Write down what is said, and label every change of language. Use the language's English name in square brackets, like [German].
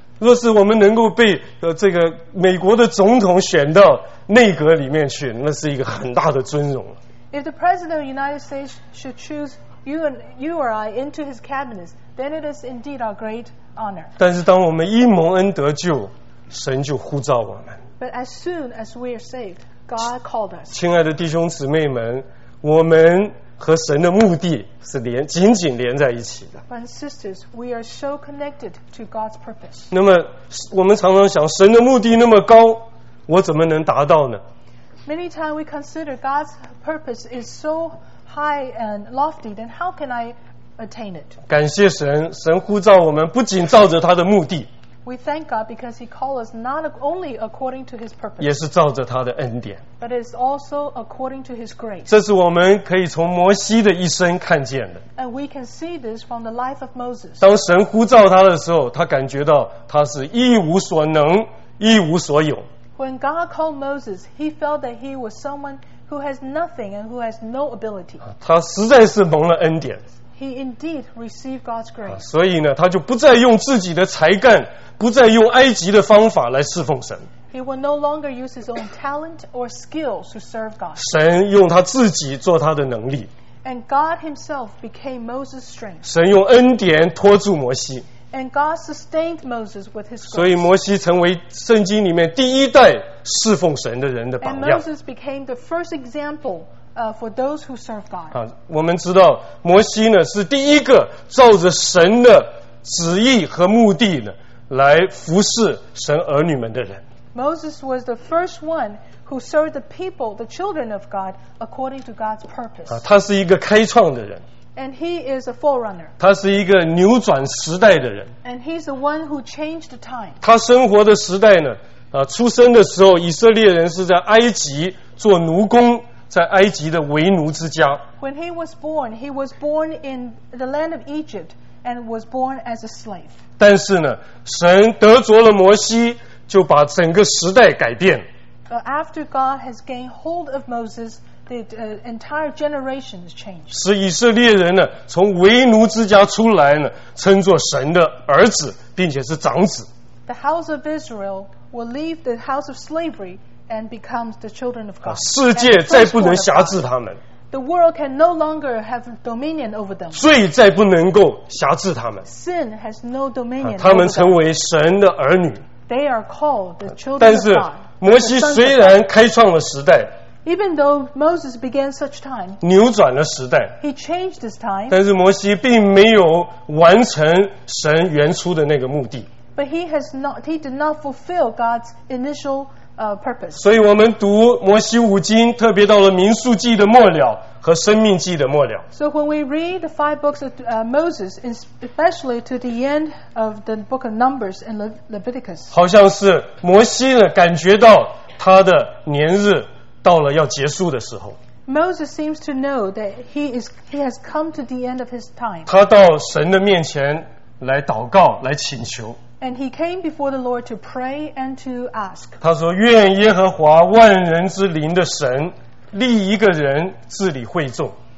[Chinese] 若是我们能够被这个美国的总统选到内阁里面去，那是一个很大的尊荣。 [English] If the president of the United States should choose you or I into his cabinet, then it is indeed our great honor. [Chinese] 但是当我们一蒙恩得救，神就呼召我们。 [English] But as soon as we are saved, God called us. [Chinese] 亲爱的弟兄姊妹们，我们和神的目的是紧紧连在一起的。 [English] And sisters, we are so connected to God's purpose. [Chinese] 那么我们常常想，神的目的那么高，我怎么能达到呢？ [English] Many times we consider God's purpose is so high and lofty, then how can I attain it? [Chinese] 感谢神，神呼召我们不仅照着他的目的。 [English] We thank God because He called us not only according to His purpose, [Chinese] 也是照着他的恩典。 [English] But it's also according to His grace. [Chinese] 这是我们可以从摩西的一生看见的。 [English] And we can see this from the life of Moses. [Chinese] 当神呼召他的时候，他感觉到他是一无所能，一无所有。 [English] When God called Moses, he felt that he was someone who has nothing and who has no ability. [Chinese] 他实在是蒙了恩典。 [English] He indeed received God's grace. [Chinese] 所以呢，他就不再用自己的才干，不再用埃及的方法来侍奉神。 [English] He will no longer use his own talent or skills to serve God. [Chinese] 神用他自己做他的能力。 [English] And God himself became Moses' strength. [Chinese] 神用恩典托住摩西。 [English] And God sustained Moses with His grace. [Chinese] 所以摩西成为圣经里面第一代侍奉神的人的榜样。 [English] And Moses became the first example for those who serve God. [Chinese] 我们知道摩西呢是第一个照着神的旨意和目的呢来服侍神儿女们的人。 [English] Moses was the first one who served the people, the children of God, according to God's purpose. [Chinese] 他是一个开创的人。 [English] And he is a forerunner. [Chinese] 他是一个扭转时代的人。 [English] And he's the one who changed the time. [Chinese] 他生活的时代呢，出生的时候，以色列人是在埃及做奴工，在埃及的为奴之家。 [English] When he was born in the land of Egypt and was born as a slave. [Chinese] 但是呢，神得着了摩西，就把整个时代改变。 [English] After God has gained hold of Moses, the entire generation has changed. [Chinese] 使以色列人呢，从为奴之家出来呢，称作神的儿子，并且是长子。 [English] The house of Israel will leave the house of slavery and becomes the children of God. [Chinese] 世界再不能辖制他们。 [English] The world can no longer have dominion over them. [Chinese] 罪再不能够辖制他们。 [English] Sin has no dominion over them. [Chinese] 他们成为神的儿女。 [English] They are called the children of God. [Chinese] 但是摩西虽然开创了时代。 [English] Even though Moses began such time, [Chinese] 扭转了时代。 [English] He changed his time. [Chinese] 但是摩西并没有完成神原初的那个目的。 [English] But he did not fulfill God's initial purpose. [Chinese] 所以我们读摩西五经，特别到了民数记的末了和生命记的末了。 [English] So when we read the five books of Moses, especially to the end of the book of Numbers and Leviticus, [Chinese] 好像是摩西呢感觉到他的年日。到了要结束的时候 [English] ，Moses seems to know that he has come to the end of his time. [Chinese] 他到神的面前来祷告，来请求。 [English] And he came before the Lord to pray and to ask. [Chinese] 他说：“愿耶和华万人之灵的神立一个人治理会众。